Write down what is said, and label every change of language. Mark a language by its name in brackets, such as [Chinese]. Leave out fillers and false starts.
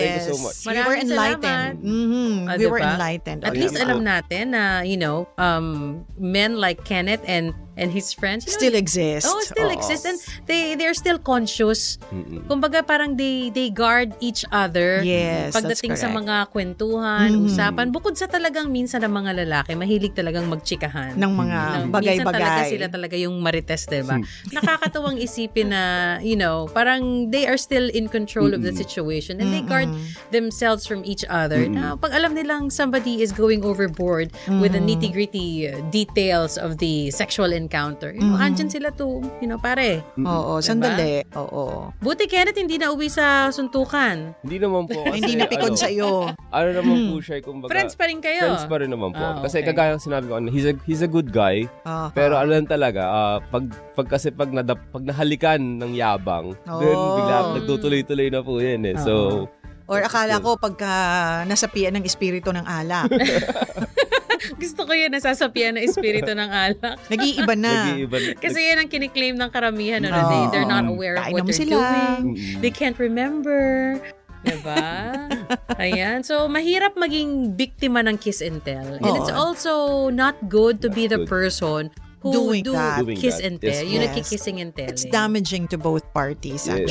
[English] Thank you so much. [Filipino] Maraming [English] we were enlightened. Mm-hmm. Oh, we were enlightened. At least [Filipino] alam natin na, [English] you know, men like Kenneth and his friends, you know, still exist. Oh, still Aww. Exist. And they're still conscious. Mm-hmm. [Filipino] Kumbaga parang [English] they guard each other. Yes, [Filipino] pagdating sa mga kwentuhan, mm-hmm. usapan. Bukod sa talagang minsan ng mga lalaki, mahilig talagang magchikahan. Ng mga bagay-bagay. Minsan talaga sila talaga yung marites, diba? Nakakatawang isipin na, [English] you know, [Filipino] parang [English] they are still in control mm-hmm. of the situation and mm-hmm. they guard themselves from each other. Mm-hmm. Now, pag alam nilang somebody is going overboard mm-hmm. with the nitty-gritty details of the sexual encounter, you know, mm-hmm. [Filipino] andyan sila [English] to, you know, [Filipino] pare. Mm-hmm. Oo, oh, diba? Sandali. Oo. Oh, oh. Buti Kenneth, hindi na uwi sa suntukan. Hindi naman po. Hindi napikon sa iyo. Ano naman po siya, kumbaga. Friends pa rin kayo. Friends pa rin naman po. [English] Oh, okay. [Filipino] Kasi kagaya ng sinabi ko, [English] he's a good guy. [Filipino] Uh-huh. Pero alam talaga, pag nahalikan ng yabang, then bigla nagtutuloy-tuloy na po yan eh. So, or akala ko pagka nasapian ng espiritu ng alak. Gusto ko yun, nasasapian ng espiritu ng alak. Nag-iiba na. Kasi yan ang kiniklaim ng karamihan. [English] No. Na they're not aware of what they're [Filipino] sila. [English] Doing. They can't remember. [Filipino] Diba? Ayan. So, mahirap maging biktima ng kiss and tell. [English] And it's also not good to be the person who doing do that. Kiss and tell. Yes. [Filipino] Yung nagki-kissing and telling. [English] It's damaging to both parties, actually.